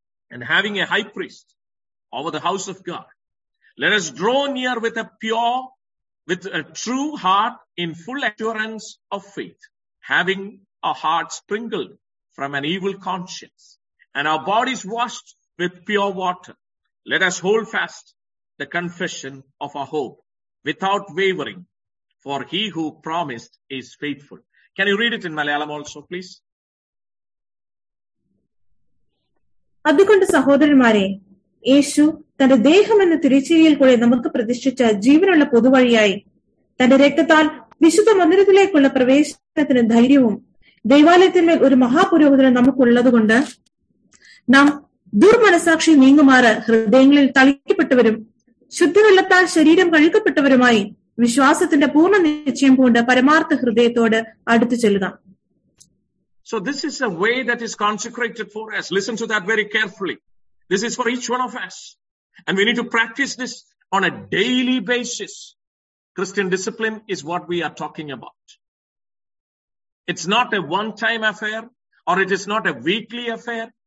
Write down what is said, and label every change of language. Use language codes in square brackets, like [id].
[en] And having a high priest over the house of God, let us draw near with a pure, with a true heart in full assurance of faith, having our hearts sprinkled from an evil conscience. And our bodies washed with pure water. Let us hold fast the confession of our hope without wavering. For he who promised is faithful. Can you read it in Malayalam also, please? [ml] അതുകൊണ്ട് സഹോദരന്മാരെ, യേശു തന്റെ ദേഹം എന്ന തിരിച്ചടിയിൽ കൂടെ നമുക്ക് പ്രതിഷ്ഠിച്ച ജീവനുള്ള പൊതുവഴിയായി തന്റെ രക്തത്താൽ വിശുദ്ധ മന്ദിരത്തിലേക്കുള്ള പ്രവേശനത്തിന് ധൈര്യവും ദൈവാലയത്തിന്മേൽ ഒരു മഹാപുരോഹിതനും നമുക്കുള്ളത് കൊണ്ട് നാം ദുർമനസാക്ഷി നീങ്ങുമാറ് ഹൃദയങ്ങളിൽ തളിക്കപ്പെട്ടവരും ശുദ്ധവെള്ളത്താൽ ശരീരം കഴുകപ്പെട്ടവരുമായി വിശ്വാസത്തിന്റെ പൂർണ്ണ നിശ്ചയം കൊണ്ട് പരമാർത്ഥ ഹൃദയത്തോട് അടുത്തു ചെല്ലുക. [en] So this is a way that is consecrated for us. Listen to that very carefully. This is for each one of us. And we need to practice this on a daily basis. Christian discipline is what we are talking about. It's not a one-time affair or it is not a weekly affair.